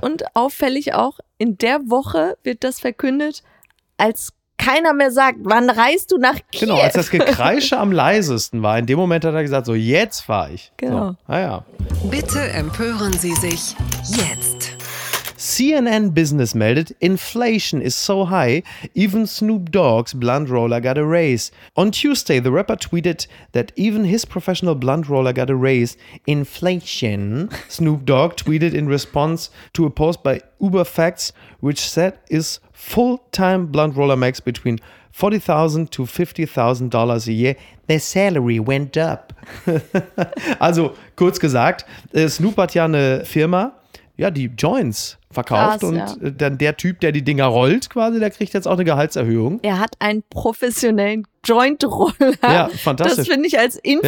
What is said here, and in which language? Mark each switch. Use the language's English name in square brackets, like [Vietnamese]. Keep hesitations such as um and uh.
[German] Und auffällig auch, in der Woche wird das verkündet, als keiner mehr sagt, wann reist du nach Kiew? Genau, als das Gekreische am leisesten war, in dem Moment hat er gesagt, so jetzt fahre ich. Genau. So, ah ja. Bitte empören Sie sich jetzt. [English] CNN Business meldet, inflation is so high, even Snoop Dogg's blunt roller got a raise. On Tuesday, the rapper tweeted that even his professional blunt roller got a raise. Inflation, Snoop Dogg tweeted in response to a post by Uber Facts, which said is full-time blunt roller makes between $40,000 to $50,000 a year. Their salary went up. [German] also, kurz gesagt, äh, Snoop hat ja eine Firma, ja, die Joints verkauft Krass, und ja. äh, dann der Typ, der die Dinger rollt quasi, der kriegt jetzt auch eine Gehaltserhöhung. Er hat einen professionellen Joint-Roller. Ja, fantastisch. Das finde ich als Info